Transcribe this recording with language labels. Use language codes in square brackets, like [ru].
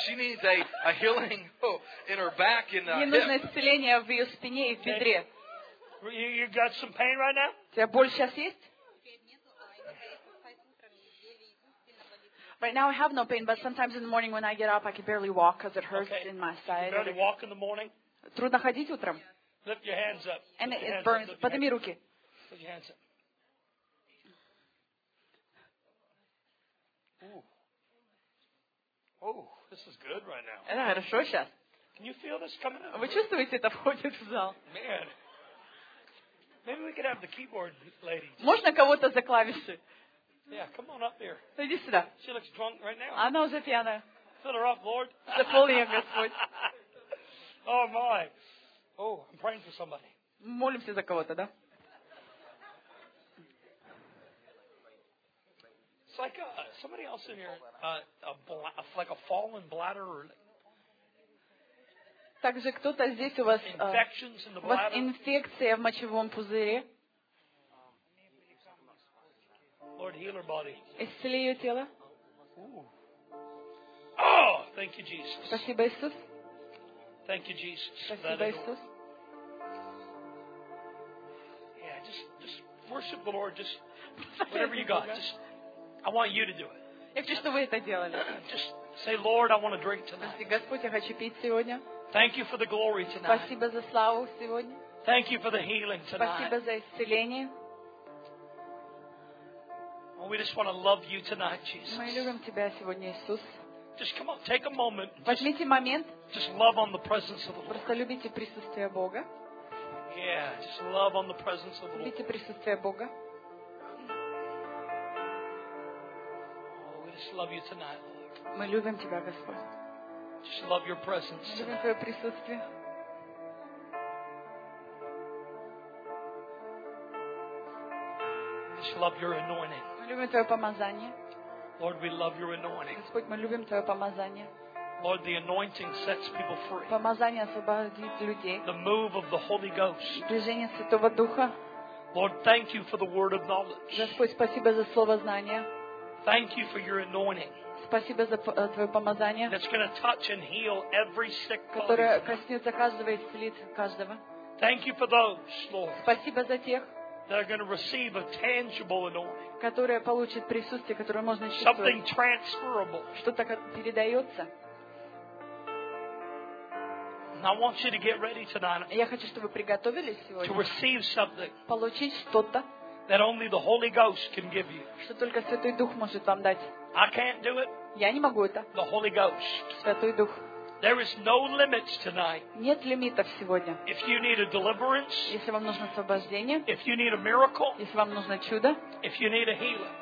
[en] She needs a healing in her back and hip. [ru] Ей нужно исцеление в ее спине и в бедре. [en] You got some pain right now? [ru] У тебя боль сейчас есть? [en] Right now I have no pain, but sometimes in the morning when I get up, I can barely walk because it hurts in my side. Can you walk in the morning? [ru] Трудно ходить утром. [en] Lift your hands up. And it burns. [ru] Подними руки. [en] Lift your hands up. This is good right now. [ru] Это хорошо сейчас. [en] Can you feel this coming out? [ru] Вы чувствуете, это входит в зал? [en] Man, maybe we could have the keyboard lady. [ru] Можно кого-то за клавиши? [en] Yeah, come on up here. [ru] Иди сюда. [en] She looks drunk right now. [ru] Она уже пьяная. [en] Fill her up, Lord. [ru] Заполни ее, Господь. [en] Oh my. Oh, I'm praying for somebody. [ru] Молимся за кого-то, да? [en] It's like somebody else in here, like a fallen bladder. Or... [ru] Также кто-то здесь у вас, [en] infections in the bladder. [ru] У вас инфекция в мочевом пузыре. [en] Lord, heal her body. [ru] Исцели ее тело. [en] Ooh. Oh, thank you, Jesus. [ru] Спасибо, Иисус. [en] Thank you, Jesus. [ru] Спасибо, Иисус. [en] Yeah, just worship the Lord, just whatever you got, just. I want you to do it. [ru] Я хочу, чтобы вы это делали. [en] Just say, Lord, I want to drink tonight. [ru] Господь, я хочу пить сегодня. [en] Thank you for the glory tonight. [ru] Спасибо за славу сегодня. [en] Thank you for the healing tonight. [ru] Спасибо за исцеление. [en] We just want to love you tonight, Jesus. [ru] Мы любим тебя сегодня, Иисус. [en] Just come on, take a moment. [ru] Возьмите момент. [en] Just love on the presence of the Lord. [ru] Просто любите присутствие Бога. [en] Yeah, just love on the presence of the Lord. [ru] Любите присутствие Бога. [en] Love you tonight, Lord. [ru] Мы любим тебя, Господь. [en] Just love your presence. [ru] Мы любим твое присутствие. [en] Just love your anointing. [ru] Мы любим твое помазание. [en] Lord, we love your anointing. [ru] Господь, мы любим твое помазание. [en] Lord, the anointing sets people free. [ru] Помазание освобождает людей. [en] The move of the Holy Ghost. [ru] Движение Святого Духа. [en] Lord, thank you for the word of knowledge. [ru] Господь, спасибо за слово знания. [en] Thank you for your anointing. [ru] Спасибо за твое помазание. [en] That's going to touch and heal every sick body. [ru] Которое коснется каждого и исцелит каждого. [en] Thank you for those, Lord. [ru] Спасибо за тех. [en] That are going to receive a tangible anointing. [ru] Которые получат присутствие, которое можно чувствовать. [en] Something transferable. [ru] Что-то передается. [en] I want you to get ready tonight. [ru] Я хочу, чтобы вы приготовились сегодня. [en] To receive something. [ru] Получить что-то. [en] That only the Holy Ghost can give you. [ru] Что только Святой Дух может вам дать. [en] I can't do it. [ru] Я не могу это. [en] The Holy Ghost. [ru] Святой Дух. [en] There is no limits tonight. [ru] Нет лимитов сегодня. [en] If you need a deliverance. [ru] Если вам нужно освобождение. [en] If you need a miracle. [ru] Если вам нужно чудо. [en] If you need a healing.